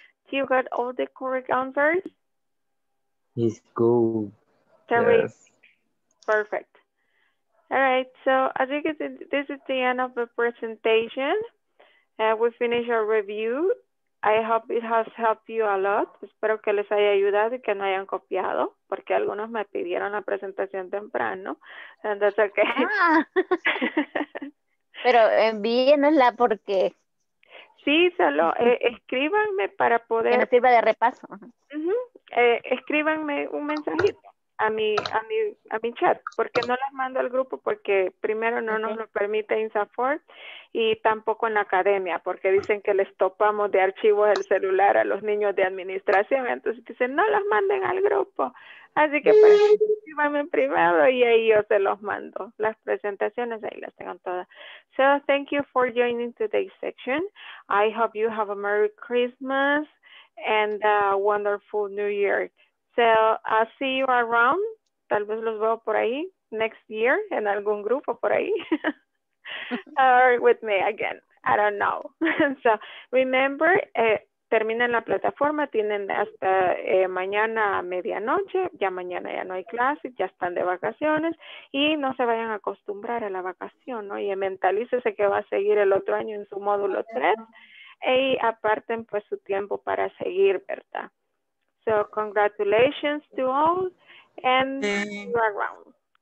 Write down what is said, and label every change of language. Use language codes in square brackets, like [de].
[en] You got all the correct answers? It's cool. Terry. Yes. Perfect. All right. So I think this is the end of the presentation. We finished our review. I hope it has helped you a lot. [es] Espero que les haya ayudado y que no hayan copiado, porque algunos me pidieron la presentación temprano. [en] And that's okay. [es] Ah. Pero envíenosla porque... Sí, solo escríbanme para poder... Que nos sirva de repaso. Uh-huh. Escríbanme un mensajito a mi chat, porque no las mando al grupo, porque primero no nos lo permite Insafort y tampoco en la academia, porque dicen que les topamos de archivos el celular a los niños de administración. Entonces dicen, no las manden al grupo. Así que para mí, escríbanme privado y ahí yo se los mando. Las presentaciones ahí las tengo todas. [en] So thank you for joining today's section. I hope you have a Merry Christmas and a wonderful New Year. So I'll see you around. [es] Tal vez los veo por ahí [en] next year [es] en algún grupo por ahí. [en] Or with me again. I don't know. So remember, [es] terminen la plataforma, tienen hasta mañana a medianoche, ya mañana ya no hay clases, ya están de vacaciones, y no se vayan a acostumbrar a la vacación, ¿no? Y mentalícese que va a seguir el otro año en su módulo 3, y aparten pues su tiempo para seguir, ¿verdad? [en] So, congratulations to all, and you are around.